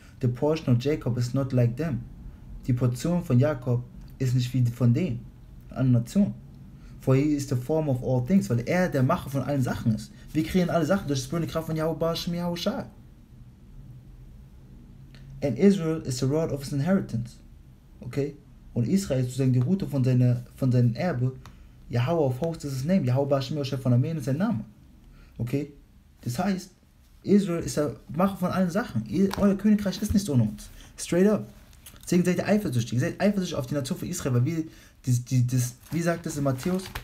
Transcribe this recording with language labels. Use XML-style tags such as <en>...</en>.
<en>The portion of Jacob is not like them.</en> <de>Die Portion von Jakob ist nicht wie von denen, einer Nation.</de> <en>For he is the form of all things,</en> <de>weil er der Macher von allen Sachen ist. Wir kreieren alle Sachen durch die spürende Kraft von Yahweh Shem Yahushua.</de> <en>And Israel is the rod of his inheritance. Okay?</en> <de>Und Israel ist sozusagen die Route von seinem Erbe.</de> <en>Yahweh of hosts is his name.</en> <de>Yahweh Shem Yahushua von Armenien ist sein Name. Okay? Das heißt, Israel ist der Macher von allen Sachen. Euer Königreich ist nicht ohne uns.</de> <en>Straight up.</en> <de>Deswegen seid ihr eifersüchtig. Ihr seid eifersüchtig auf die Natur von Israel, weil wie sagt das in Matthäus?</de>